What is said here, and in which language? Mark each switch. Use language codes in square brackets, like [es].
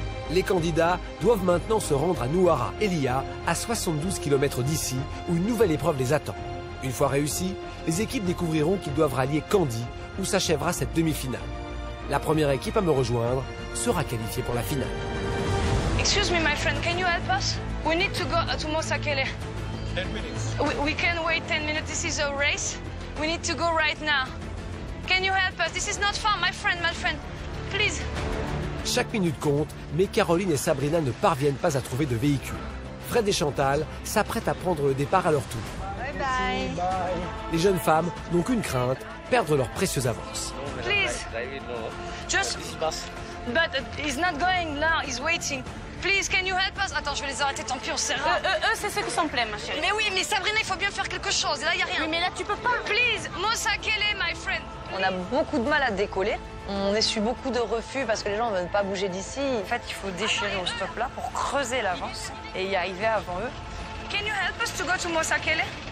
[fr] Les candidats doivent maintenant se rendre à Nouara Elia, à 72 km d'ici, où une nouvelle épreuve les attend. Une fois réussis, les équipes découvriront qu'ils doivent rallier Candy, où s'achèvera cette demi-finale. La première équipe à me rejoindre sera qualifiée pour la finale. [en] Excuse me, my friend, can you help us? We need to go to Mosakele. 10 minutes. We can wait 10 minutes. This is a race. We need to go right now. Can you help us? This is not fun, my friend. Please. [fr] Chaque minute compte, mais Caroline et Sabrina ne parviennent pas à trouver de véhicule. Fred et Chantal s'apprêtent à prendre le départ à leur tour. [en] Bye. [fr] Les jeunes femmes n'ont qu'une crainte, perdre leur précieuse avance. [en] Please. Just... But he's not going now, he's waiting. Please, can you help us? [fr] Attends, je vais les arrêter, tant pis, on sert. Eux, c'est ceux qui sont pleins, ma chérie. Mais oui, mais Sabrina, il faut bien faire quelque chose. Là, il n'y a rien. Mais là, tu peux pas. [en] Please, Mosakele, my friend. Please. [fr] On a beaucoup de mal à décoller. On essuie beaucoup de refus parce que les gens ne veulent pas bouger d'ici. En fait, il faut déchirer au stop-là pour creuser l'avance et y arriver avant eux. [en] Can you help us to go to Mosakele?